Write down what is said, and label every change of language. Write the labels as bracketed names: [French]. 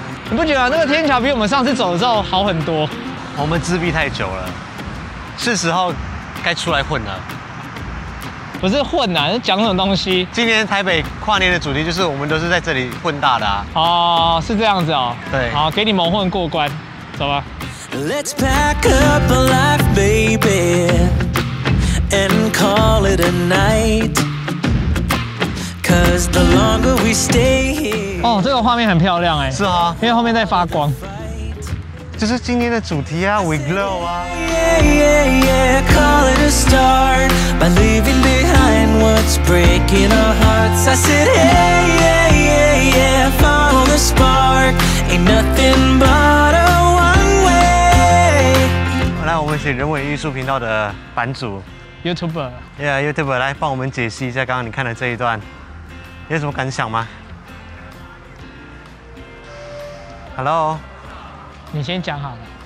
[Chinese] 你不觉得，啊，那个天桥比我们上次走的时候好很多？我们自闭太久了，是时候该出来混了。不是混啊，是讲什么东西？今年台北跨年的主题就是我们都是在这里混大的啊。哦，是这样子哦。对，好，给你蒙混过关，走吧。 [English] Let's pack up a life, baby, and call it a night. Cause the longer we stay here. [Chinese] 哦，这个画面很漂亮哎。是啊，因为后面在发光。就是今年的主题啊 ， [English] We glow [Chinese] 啊。 [English] Yeah, yeah, yeah, call it a start by leaving behind what's breaking our hearts. I said, hey, yeah, yeah, yeah, follow the spark. Ain't nothing but a one way. [Chinese] 来，我们请人文艺术频道的版主，YouTuber， yeah, YouTuber 来帮我们解析一下刚刚你看的这一段，有什么感想吗 ？Hello。你先讲好了。